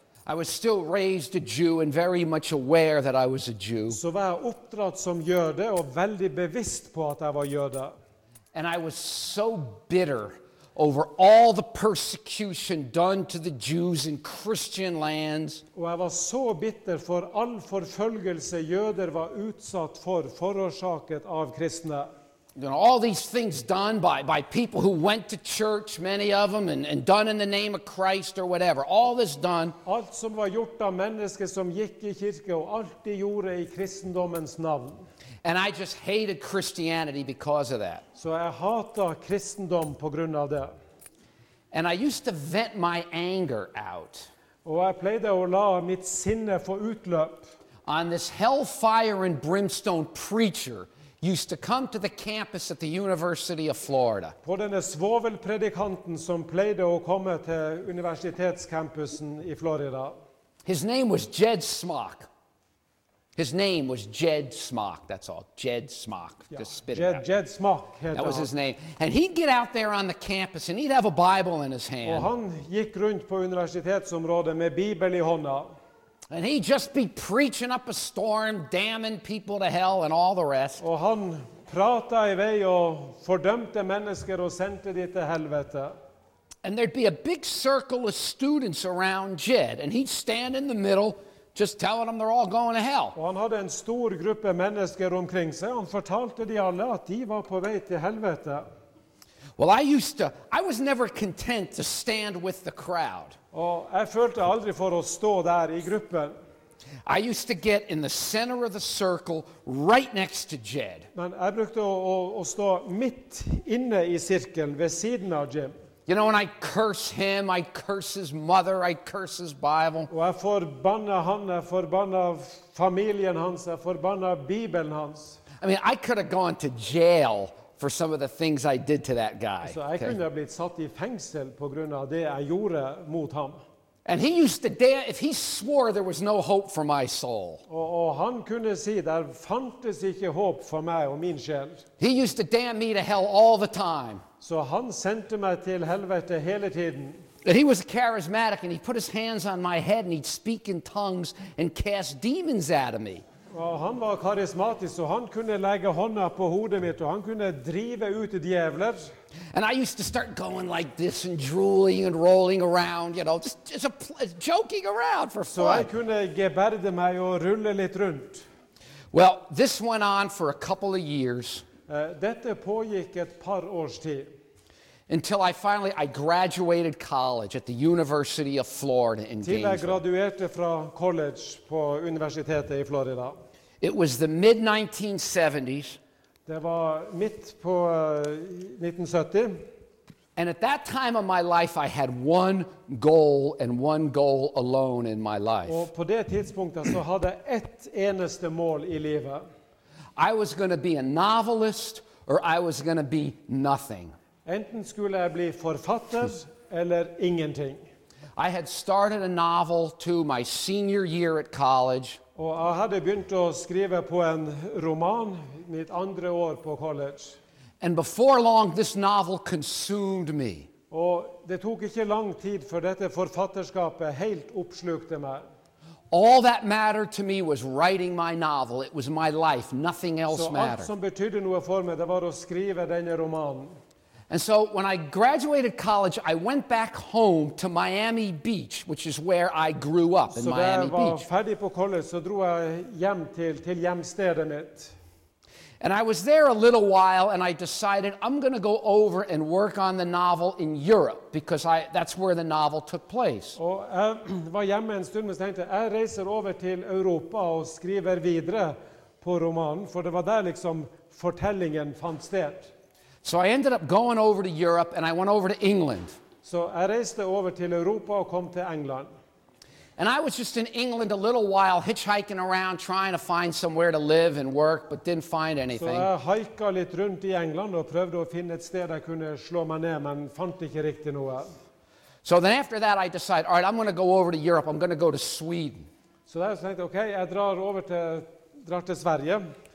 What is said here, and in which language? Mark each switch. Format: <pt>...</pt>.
<en>I was still raised a Jew and very much aware that I was a Jew.</en> <no>Så var jeg oppdratt som jøde og veldig bevisst på at jeg var jøde.</no> <en>And I was so bitter over all the persecution done to the Jews in Christian lands.</en> <sv>Och jag var så bitter för all förföljelse jöder var utsatt för, förorsakat av kristna.</sv> <en>You know, all these things done by people who went to church, many of them, and done in the name of Christ or whatever. All this done.</en> <sv>Allt som var gjort av människor som gick I kyrka och allt de gjorde I kristendomens namn.</sv> <en>And I just hated Christianity because of that.</en> <no>Så jeg hatet kristendom på grunn av det.</no> <en>And I used to vent my anger out.</en> <no>Og jeg pleide å la mitt sinne få utløp.</no> <en>On this hellfire and brimstone preacher used to come to the campus at the University of Florida.</en> <no>På denne svovelpredikanten som pleide å komme til universitetscampusen I Florida.</no> <en>His name was Jed Smock. His name was Jed Smock, that's all. Jed Smock. Yeah. Just spit it out. Jed Smock. That was his name. And he'd get out there on the campus and he'd have a Bible in his hand.</en> <sv>Och han gick runt på universitetsområdet med Bibel I handen.</sv> <en>And he'd just be preaching up a storm, damning people to hell and all the rest.</en> <sv>Och han pratade I väg och fördömde människor och sände dem till helvete.</sv> <en>And there'd be a big circle of students around Jed and he'd stand in the middle just telling them they're all going to hell.</en> <sv>Och han hade en stor grupp människor omkring sig. Han fortalte de alla att de var på väg till helvete.</sv> <en>Well, I was never content to stand with the crowd.</en> <sv>Och jag följde aldrig för att stå där I gruppen.</sv> <en>I used to get in the center of the circle right next to Jed.</en> <sv>Men jag brukade att stå mitt inne I cirkeln vid sidan av Jed.</sv> <en>You know, when I curse him, I curse his mother, I curse his Bible.</en> <sv>Och jag förbannar han, jag förbannar familjen hans, jag förbannar Bibeln hans.</sv> <en>I mean, I could have gone to jail for some of the things I did to that guy.</en> <sv>Så jag kunde ha blivit satt I fängsel på grund av det jag gjorde mot honom.</sv> <en>And he used to dare, if he swore there was no hope for my soul.</en> <sv>Och han kunde se där fanns inte hopp för mig och min själ.</sv> <en>He used to damn me to hell all the time.</en> <no>Så han sendte meg til helvete hele tiden.</no> <en>And he was charismatic and he put his hands on my head and he'd speak in tongues and cast demons out of me.</en> <no>Og han var karismatisk og han kunne legge hånda på hodet mitt og han kunne drive ut djevler.</no> <en>And I used to start going like this and drooling and rolling around, you know, just joking around for fun.</en> <no>Så jeg kunne geberde meg og rulle litt rundt.</no> <en>Well, this went on for a couple of years.</en> <no>Dette pågikk et par års tid.</no> <en>Until I graduated college at the University of Florida in Gainesville.</en> <sv>Till jag graduerade från college på universitetet I Florida.</sv> <en>It was the mid-1970s.</en> <sv>Det var mitt på 1970.</sv> <en>And at that time of my life, I had one goal and one goal alone in my life.</en> <sv>Och på det tidspunktet så hade jag ett enaste mål I livet.</sv> <en>I was going to be a novelist or I was going to be nothing.</en> <sv>Enten skulle jag bli författare eller ingenting.</sv> <en>I had started a novel to my senior year at college.</en> <sv>Och jag hade börjat att skriva på en roman mitt andra år på college.</sv> <en>And before long, this novel consumed me.</en> <sv>Och det tog inte lång tid för detta författarskapet helt uppslukte mig.</sv> <en>All that mattered to me was writing my novel. It was my life. Nothing else mattered.</en> <sv>Så allt som betydde något för mig, det var att skriva denna roman.</sv> <en>And so when I graduated college, I went back home to Miami Beach, which is where I grew up in Miami Beach.</en> <sv>Så när jag var färdig på college så drog jag hem till hemstaden mitt.</sv> <en>And I was there a little while and I decided I'm going to go over and work on the novel in Europe because that's where the novel took place.</en> <sv>Och var hemma en stund men tänkte jag reser över till Europa och skriver vidare på romanen för det var där liksom berättelsen fanns där.</sv> <en>So I ended up going over to Europe and I went over to England.</en> <sv>Så jag reste över till Europa och kom till England.</sv> <en>And I was just in England a little while, hitchhiking around, trying to find somewhere to live and work, but didn't find anything.</en> <sv>Så jag hikade lite runt I England och prövade att finna ett ställe där jag kunde slå mig ner, men fann inte riktigt något.</sv> <en>So then after that I decided, all right, I'm going to go over to Europe, I'm going to go to Sweden.</en> <sv>Så där tänkte jag, okej, jag drar till Sverige.</sv>